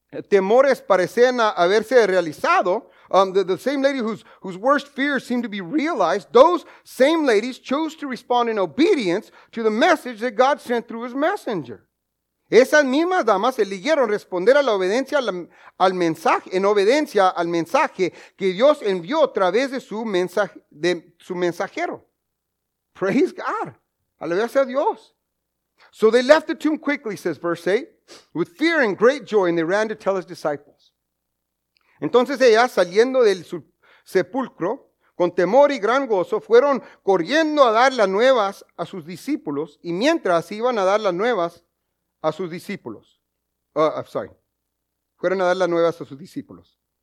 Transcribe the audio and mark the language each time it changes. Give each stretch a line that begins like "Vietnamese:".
Spanish: temores parecían haberse realizado,
English: the same lady whose worst fears seemed to be realized, those same ladies chose to respond in obedience to the message that God sent through his messenger.
Spanish: Esas mismas damas eligieron responder a la obediencia al mensaje, en obediencia al mensaje que Dios envió a través de su mensajero.
English: Praise God.
Spanish: Alabanza a Dios.
English: So they left the tomb quickly, says verse 8, with fear and great joy, and they ran to tell his disciples.
Spanish: Entonces ellas, saliendo del sepulcro, con temor y gran gozo, fueron corriendo a dar las nuevas a sus discípulos, y mientras iban a dar las nuevas a sus discípulos. Fueron a dar las nuevas a sus discípulos.